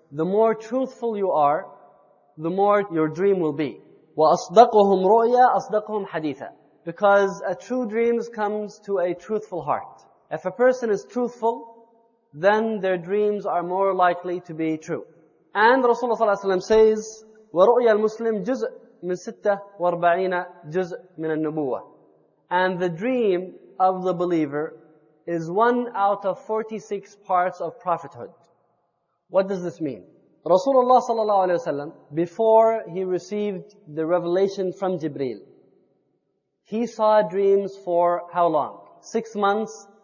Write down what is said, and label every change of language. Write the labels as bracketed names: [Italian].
[English] The more truthful you are, the more your dream will be. [Arabic] وَأَصْدَقُهُمْ رُؤْيَا أَصْدَقُهُمْ حَدِيثًا. [English] Because a true dream comes to a truthful heart. If a person is truthful, then their dreams are more likely to be true. And Rasulullah [Arabic] صلى الله عليه وسلم says, وَرُؤْيَا الْمُسْلِمْ جُزْءٌ مِنْ سِتَّةٌ وَأَرْبَعِينَ جُزْءٌ مِنَ النُّبُوَّةِ. [English] And the dream of the believer is one out of 46 parts of prophethood. What does this mean? Rasulullah صلى الله عليه وسلم, before he received the revelation from Jibreel, he saw dreams for how long? 6 months.